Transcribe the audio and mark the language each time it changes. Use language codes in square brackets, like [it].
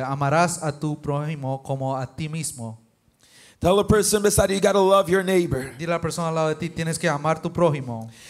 [es] Amarás a tu prójimo como a ti mismo. [en] Tell a person beside you, you gotta love your neighbor. [es] Dile a la persona al lado de ti, tienes que amar tu prójimo.